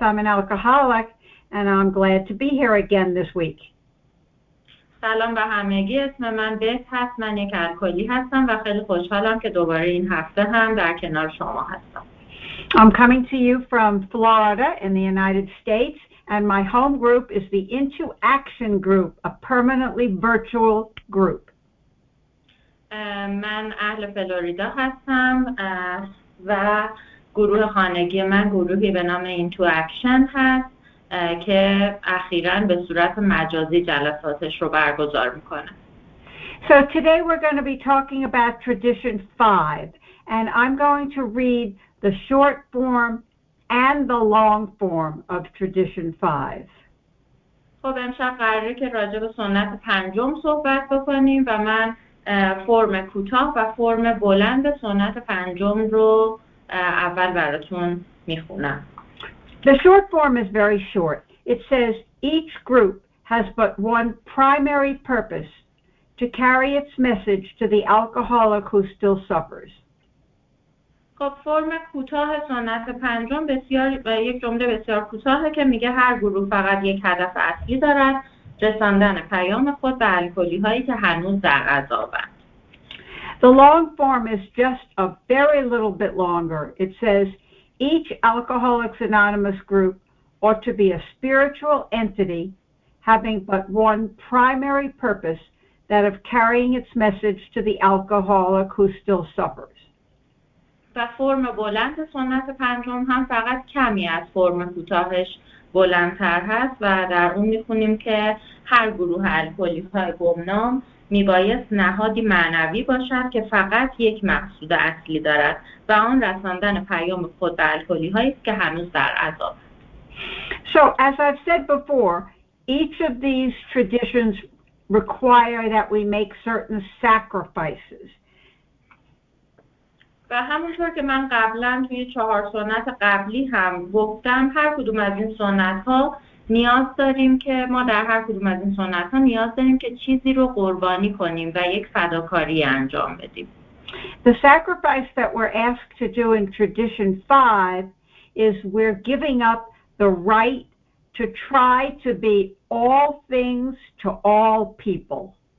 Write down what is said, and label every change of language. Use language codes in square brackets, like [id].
[en] I'm an alcoholic, and I'm glad to be here again this week. [fa] سلام به همگی. اسم من بیت هست. من یک الکلی هستم و خیلی خوشحالم که دوباره این هفته هم در کنار شما هستم. [en] I'm coming to you from Florida in the United States, and my home group is the Into Action Group, a permanently virtual group. [fa] من اهل فلوریدا هستم و گروه خانگی من گروهی به نام Into Action هست که اخیراً به صورت مجازی جلساتش رو برگزار میکنه. [en] So today we're going to be talking about Tradition 5, and I'm going to read the short form and the long form of Tradition 5. [fa] خب امشب قراره که راجع به سنت پنجم صحبت بکنیم و من فرم کوتاه و فرم بلند سنت پنجم رو اول براتون میخونم. [en] The short form is very short. It says each group has but one primary purpose, to carry its message to the alcoholic who still suffers. [fa] خب فرم کوتاه سنت پنجم بسیار یک جمله بسیار کوتاهه که میگه هر گروه فقط یک هدف اصلی دارد، رساندن پیام خود به الکلی هایی که هنوز در عذابند. [en] The long form is just a very little bit longer. It says each Alcoholics Anonymous group ought to be a spiritual entity having but one primary purpose, that of carrying its message to the alcoholic who still suffers. [fa] و فرم بلند سنت پنجم هم فقط کمی از فرم کوتاهش بلندتر هست و در اون میخونیم که هر گروه الکلی های گمنام میبایست نهادی معنوی باشد که فقط یک مقصود اصلی دارد و آن رساندن پیام خود به الکلی هایی که هنوز در عذاب. [en] So as I've said before, each of these traditions require that we make certain sacrifices. [fa] و همونطور که من قبلا توی چهار سنت قبلی هم گفتم، هر کدوم از این سنت ها نیاز داریم که ما در هر کدوم از این سنت ها نیاز داریم که چیزی رو قربانی کنیم و یک فداکاری انجام بدیم. [en] The sacrifice that we're asked to do in tradition 5 is we're giving up the right to try to be all things to all people.